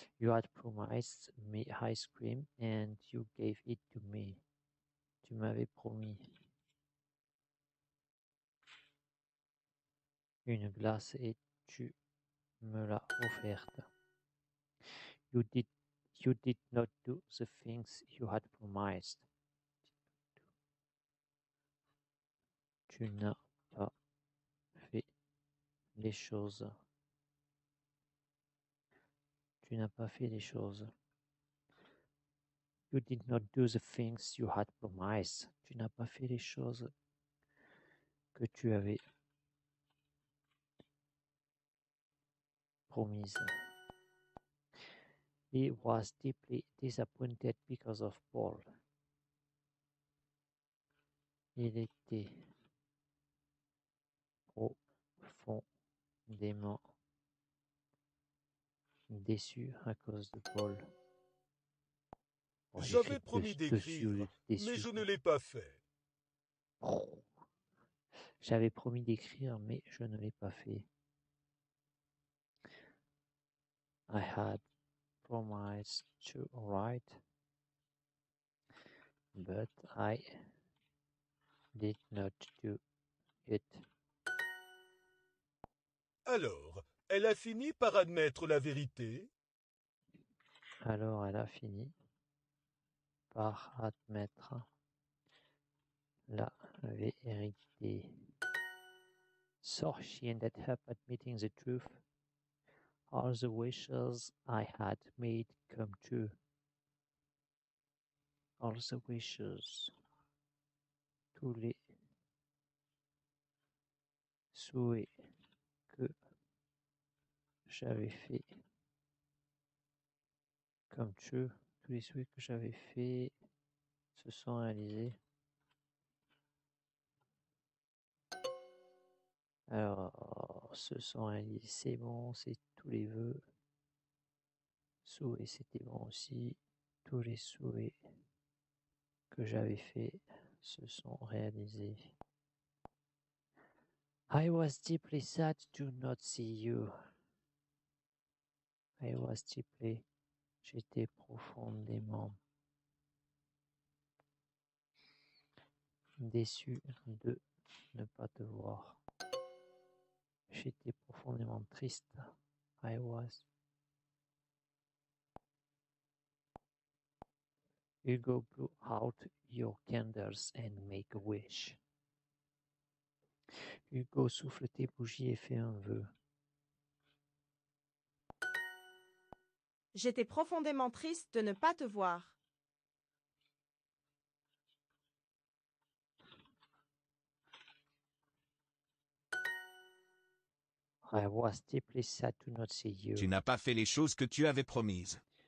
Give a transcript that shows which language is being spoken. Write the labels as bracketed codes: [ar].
[en] You had promised me ice cream and you gave it to me. [fr] Tu m'avais promis une glace et tu me l'as offerte. [en] You did not do the things you had promised. [fr] Tu n'as pas fait les choses. Tu n'as pas fait les choses. [en] You did not do the things you had promised. [fr] Tu n'as pas fait les choses que tu avais promises. [en] He was deeply disappointed because of Paul. [fr] Il était profondément déçu à cause de Paul. Bon, j'avais promis d'écrire, mais je ne l'ai pas fait. J'avais promis d'écrire, mais je ne l'ai pas fait. [en] I had promised to write, but I did not do it. [fr] Alors, elle a fini par admettre la vérité. Alors, elle a fini par admettre la vérité. [en] So she ended up admitting the truth. All the wishes I had made come true. All the wishes. [fr] Tous les souhaits que j'avais fait [en] come true. [fr] Tous les souhaits que j'avais fait se sont réalisés. Alors, se sont réalisés. C'est bon, c'est tous les vœux. Souhaits, c'était bon aussi. Tous les souhaits que j'avais fait se sont réalisés. [en] I was deeply sad to not see you. I was deeply. [fr] J'étais profondément déçu de ne pas te voir. J'étais profondément triste. [en] I was. Hugo blew out your candles and make a wish. [fr] Hugo souffle tes bougies et fait un vœu. J'étais profondément triste de ne pas te voir. [en] I was deeply sad to not see you. [fr] Tu n'as pas fait les choses que tu avais promises.